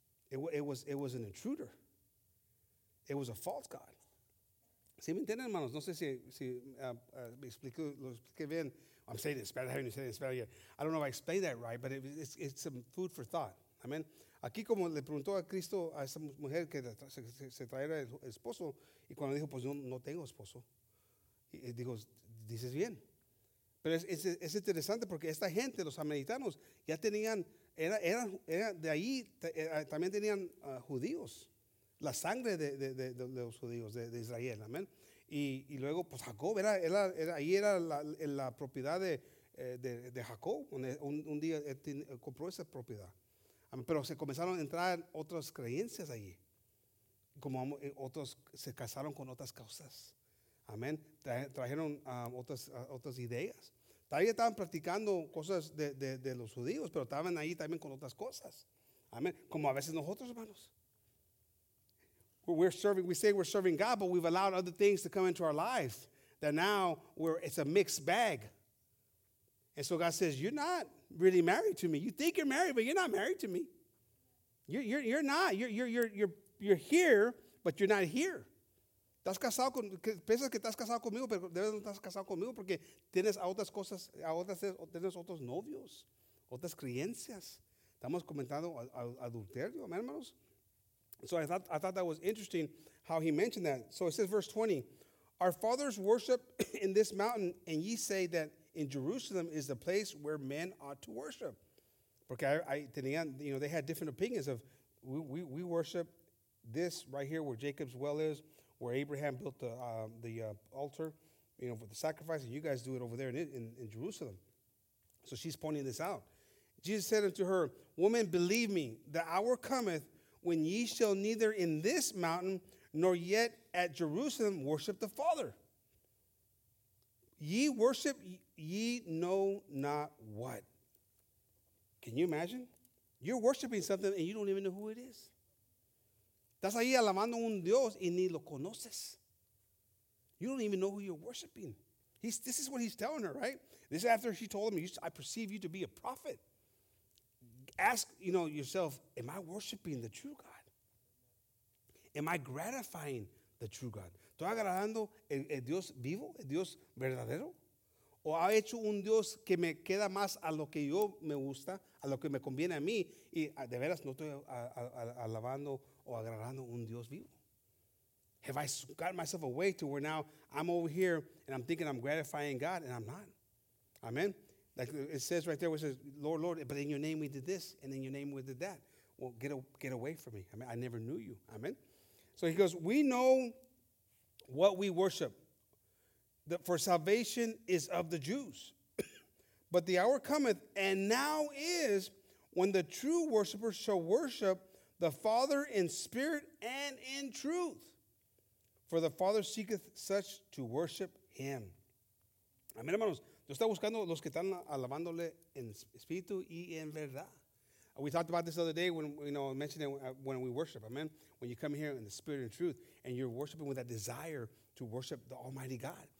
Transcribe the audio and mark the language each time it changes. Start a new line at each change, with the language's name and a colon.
English: It was an intruder. It was a false God.
Spanish: ¿Sí me entienden, hermanos? No sé si me expliqué bien.
English: I'm saying it in Spanish. I haven't said it in Spanish yet. I don't know if I explained that right, but it's some food for thought. Amen.
Spanish: Aquí como le preguntó a Cristo a esa mujer que se trajera el esposo, y cuando dijo, pues no tengo esposo. Digo, dices bien. Pero es interesante porque esta gente, los samaritanos, ya tenían, eran de ahí, también tenían judíos. La sangre de los judíos, de Israel, amén. Y luego, pues Jacob, era la propiedad de Jacob. Un día compró esa propiedad. Amén. Pero se comenzaron a entrar otras creencias allí. Como otros se casaron con otras causas. Amén. Trajeron otras ideas. Todavía estaban practicando cosas de los judíos, pero estaban ahí también con otras cosas. Amén. Como a veces nosotros, hermanos.
English: We're serving, we say we're serving God, but we've allowed other things to come into our life that now it's a mixed bag. And so God says, you're not really married to me. You think you're married, but you're not married to me. You're not. You're here, but you're not here.
Spanish: Estás casado con, piensas que estás casado conmigo, pero debes no estar casado conmigo porque tienes a otras cosas, a otras, tienes otros novios, otras creencias. Estamos comentando adulterio, hermanos.
English: So I thought that was interesting how he mentioned that. So it says, verse 20, our fathers worship in this mountain, and ye say that in Jerusalem is the place where men ought to worship.
Spanish: Porque
English: I
Spanish: tenía,
English: you know, they had different opinions of, we worship this right here where Jacob's well is, where Abraham built the altar, you know, for the sacrifice, and you guys do it over there in Jerusalem. So she's pointing this out. Jesus said unto her, woman, believe me, the hour cometh when ye shall neither in this mountain nor yet at Jerusalem worship the Father. Ye worship ye know not what. Can you imagine? You're worshiping something and you don't even know who it is.
Spanish: Estás ahí alabando un Dios y ni lo conoces.
English: You don't even know who you're worshiping. This is what he's telling her, right? This is after she told him, I perceive you to be a prophet. Ask, you know, yourself, am I worshiping the true God? Am I gratifying the true God?
Spanish: ¿Estoy agradando el Dios vivo, el Dios verdadero? ¿O ha hecho un Dios que me queda más a lo que yo me gusta, a lo que me conviene a mí, y de veras no estoy alabando o agradando un Dios vivo?
English: Have I got myself away to where now I'm over here and I'm thinking I'm gratifying God and I'm not? Amen. Like it says right there, it says, Lord, Lord, but in your name we did this, and in your name we did that. Well, get away from me. I mean, I never knew you. Amen. So he goes, we know what we worship, that for salvation is of the Jews. But the hour cometh, and now is, when the true worshipers shall worship the Father in spirit and in truth. For the Father seeketh such to worship him. Amen, hermanos.
Spanish: Yo estaba buscando los que están alabándole en espíritu y en verdad.
English: We talked about this the other day when, you know, mentioning when we worship, amen? When you come here in the spirit and truth, and you're worshiping with that desire to worship the Almighty God.